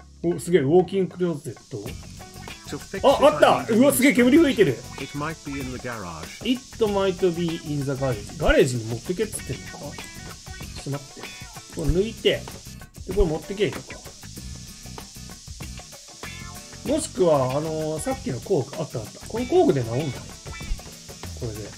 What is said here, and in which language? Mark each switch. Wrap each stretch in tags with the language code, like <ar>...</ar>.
<ja>お、すげえ、ウォーキングクローゼット。あ、あった！うわ、すげえ、煙吹いてる。</ja> <en>It might be in the garage. It might be in the garage.</en> <ja>ガレージに持ってけっつってんのか？ちょっと待って。これ抜いて、で、これ持ってけいのか。もしくは、さっきの工具、あったあった。この工具で治んだ。これで。</ja>